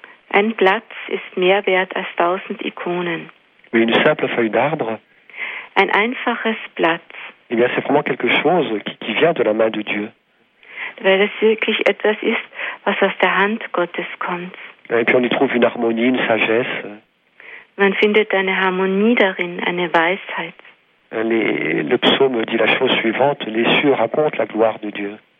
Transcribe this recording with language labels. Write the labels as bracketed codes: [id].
[de] Ein Platz ist mehr wert als 1000 Ikonen. [fr] Mais une simple feuille d'arbre. [de] Ein einfaches Platz. [fr] Eh bien, c'est vraiment quelque chose qui vient de la main de Dieu. [de] Weil es wirklich etwas ist, was aus der Hand Gottes kommt. [fr] Et puis on y trouve une harmonie, une sagesse. [de] Man findet eine Harmonie darin, eine Weisheit. [fr] Le psaume dit la chose suivante, les cieux racontent la gloire de Dieu.